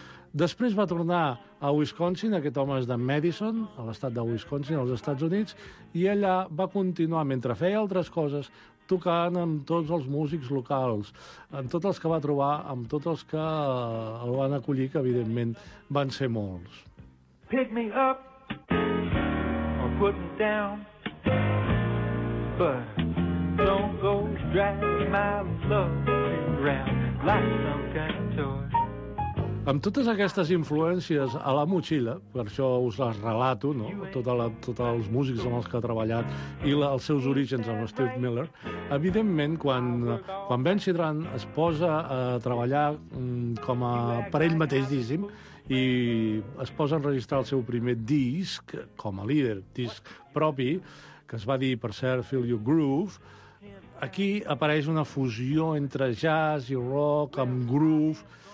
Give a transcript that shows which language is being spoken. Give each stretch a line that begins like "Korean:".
Catalan: Després va tornar a Wisconsin, aquest home és de Madison, a l'estat de Wisconsin, als Estats Units, i allà va continuar, mentre feia altres coses, tocant amb tots els músics locals, amb tots els que va trobar, amb tots els que el van acollir, que evidentment van ser molts.
English: Pick me up or put me down, but don't go drag my love around like some kind of toy.
Catalan: Amb totes aquestes influències a la motxilla, per això us les relato, no? Tots els músics amb els que ha treballat i els seus orígens amb Steve Miller, evidentment, quan Ben Sidran es posa a treballar com a per ell mateix, diguéssim, i es posa a enregistrar el seu primer disc com a líder, disc propi, que es va dir, per cert, Feel Your Groove, aquí apareix una fusió entre jazz i rock amb groove.